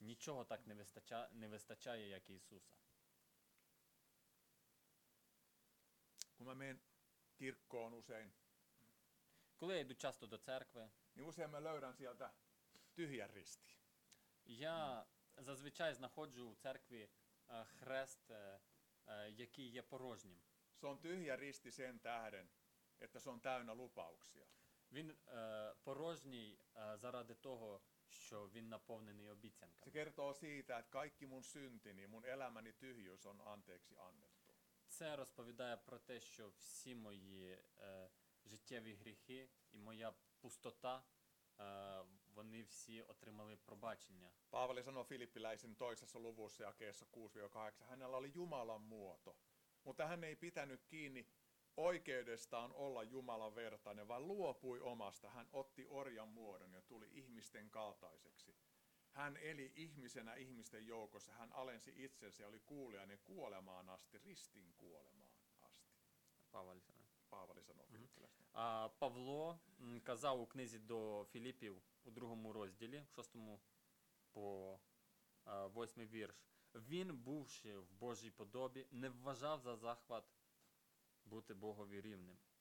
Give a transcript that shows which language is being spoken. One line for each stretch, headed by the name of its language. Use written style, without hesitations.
Ukrainian: Нічого так не вистачає, як Ісуса.
Finnish: Kun mä menen kirkkoon usein,
Ukrainian: коли я йду часто до церкви,
Finnish: niin usein mä löydän sieltä tyhjän risti.
Ukrainian: Я зазвичай знаходжу у церкві хрест, який є порожнім.
Finnish: Se on tyhjä risti sen tähden, että se on täynnä lupauksia.
Ukrainian: Він порожній заради того, що він наповнений обіцянками.
Finnish: Se kertoo siitä, että kaikki mun syntini, mun elämäni tyhjyys on anteeksi annettu.
Ukrainian: Це розповідає про те, що всі мої життєві гріхи і моя пустота, вони всі отримали пробачення. Павло сказав
Finnish: Філіппіläisen toisessa luvussa jakeessa 6-8, hänellä oli Jumalan muoto. Mutta hän ei pitänyt kiinni oikeudestaan olla Jumalan vertainen, vaan luopui omasta. Hän otti orjan muodon ja tuli ihmisten kaltaiseksi. Hän eli ihmisenä ihmisten joukossa. Hän alensi itsensä ja oli kuulijainen kuolemaan asti, ristin kuolemaan asti. Paavali sanoo.
Ukrainian: Павло казав у книзі до Філіппів у другому розділі, в шостому по восьмий вірш. Він, бувши в Божій подобі, не вважав за захват бути Богові рівним.